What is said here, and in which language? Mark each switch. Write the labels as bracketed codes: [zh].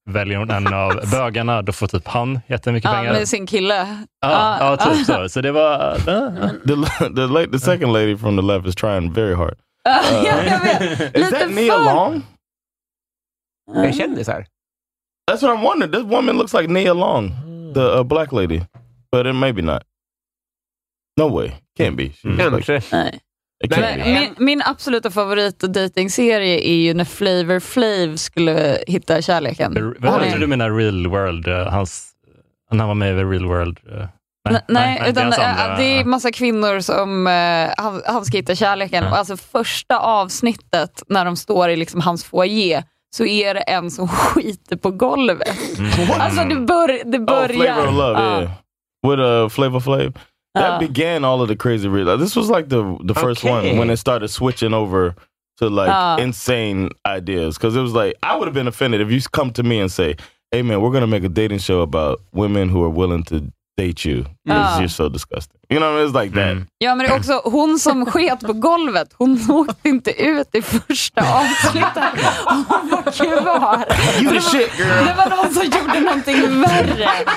[sv] Väljer hon en av bögarna, då får typ han jättemycket pengar. Ja, med sin kille. Så det var... [en] The second lady from the left is trying very hard. [sv] Jag vet. [en] Is that Nia Long? [sv] Jag kände så här. [en] That's what I'm wondering. This woman looks like Nia Long, the black lady. But it maybe not. No way. Can't be. [sv] Kanske. Min absoluta favorit dating-serie är ju när Flavor Flav skulle hitta kärleken. Tror du menar Real World? När han var med i Real World? Det är massa kvinnor som han ska hitta kärleken. Och alltså första avsnittet när de står i liksom hans foyer, så är det en som skiter på golvet. Alltså det börjar [en] Flavor of Love, with a Flavor Flav. That began all of the crazy real. This was like the first one when it started switching over to like insane ideas. Because it was like, I would have been offended if you come to me and say, hey man, we're going to make a dating show about women who are willing to date you because you're so disgusting. You know, it's like that. [sv] Ja, men det är också hon som sket på golvet. Hon åkte inte ut i första avsnittet. Hon var kvar. [en] You the shit, girl. [sv] Det var någon som gjorde någonting värre.